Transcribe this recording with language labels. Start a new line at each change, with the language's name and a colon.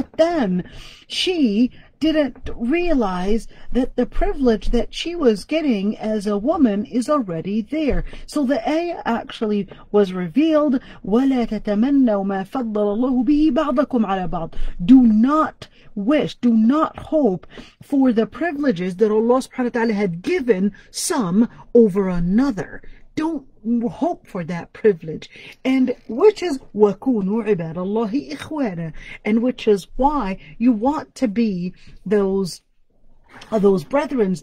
English: But then she didn't realize that the privilege that she was getting as a woman is already there. So the ayah actually was revealed,
Arabic: وَلَا تَتَمَنَّوا مَا فَضَّلَ اللَّهُ بِهِ بَعْضَكُمْ عَلَى بَعْضٍ.
English: Do not wish, do not hope for the privileges that Allah subhanahu wa ta'ala had given some over another. Don't hope for that privilege, and which is
Arabic: وَكُونُوا عِبَادَ اللَّهِ إِخْوَانًا,
English: and which is why you want to be those brethren.